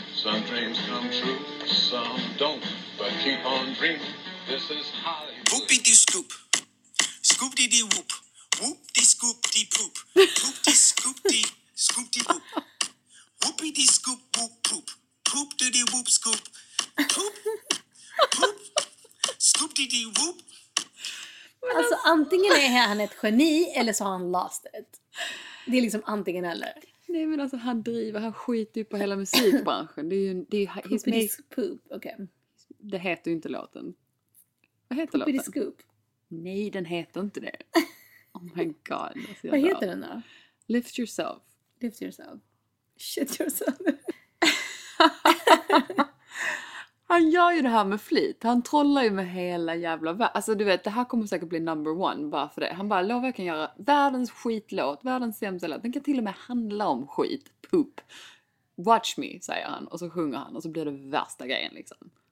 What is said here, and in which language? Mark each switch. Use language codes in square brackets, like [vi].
[en] Some dreams come true, some don't. But keep on dreaming. This is Hollywood. Poop-dee-scoop. Scoop-dee-dee-whoop. Whoop-dee-scoop-dee-poop. Poop-dee-scoop-dee-scoop-dee-whoop. Whoop-dee-scoop-whoop-poop. Poop-dee-dee-whoop-scoop. Poop. Poop. Scoop-dee-dee-whoop. [sv] Men alltså antingen är han ett geni eller så har han [en] lost it. [sv] Det är liksom antingen eller. Nej men alltså han driver, han skiter ju på hela musikbranschen. Det är ju [en] his poop. Poop. Okay. [sv] Det heter ju inte låten. Vad heter poop låten? [en] Scoop. [sv] Nej, den heter inte det. [en] Oh my god. [sv] Vad bra. Heter den då? [en] Lift yourself. Lift yourself. Shit yourself. [sv] Han gör ju det här med flit. Han trollar ju med hela jävla världen. Alltså du vet, det här kommer säkert bli [en] number one [sv] bara för det. Han bara lovar att jag kan göra världens skitlåt, världens sämsta låt. Den kan till och med handla om skit. Poop. [en] Watch me, [sv] säger han. Och så sjunger han. Och så blir det värsta grejen liksom.